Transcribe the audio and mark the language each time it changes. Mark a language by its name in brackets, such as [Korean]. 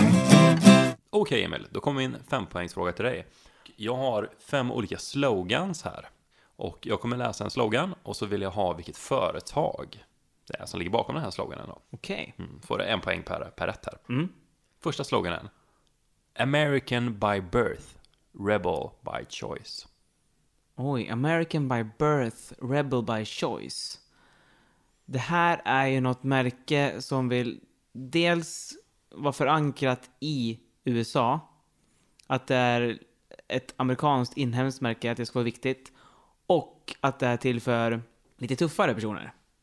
[Swedish] Okej, okay, Emil. Då kommer min 5-poängsfråga till dig. Jag har 5 olika slogans här. Och jag kommer läsa en slogan. Och så vill jag ha vilket företag det är som ligger bakom den här sloganen. Okej. Okay. Mm, får du 1 poäng per rätt här. Mm. Första sloganen. [English] American by birth, rebel by choice. [Swedish] Oj, [English] American by birth, rebel by choice. [Swedish] Det här är ju något märke som vill dels vara förankrat i USA, att det är ett amerikanskt inhemskt märke, att det ska vara viktigt, och att det är till för lite tuffare personer.